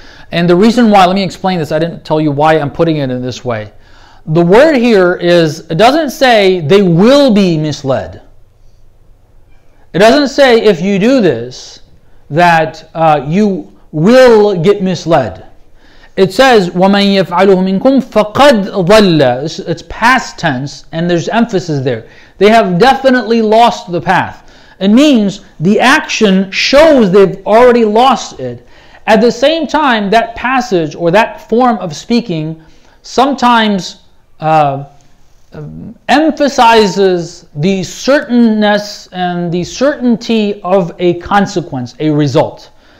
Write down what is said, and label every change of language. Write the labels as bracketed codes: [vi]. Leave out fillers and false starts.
[en] And the reason why, let me explain this, I didn't tell you why I'm putting it in this way. The word here is, it doesn't say they will be misled. It doesn't say if you do this that you will get misled. It says [ar] وَمَنْ يَفْعَلُهُ مِنْكُمْ فَقَدْ ضَلَّ. [en] It's past tense and there's emphasis there. They have definitely lost the path. It means the action shows they've already lost it. At the same time, that passage or that form of speaking sometimes emphasizes the certainness and the certainty of a consequence, a result.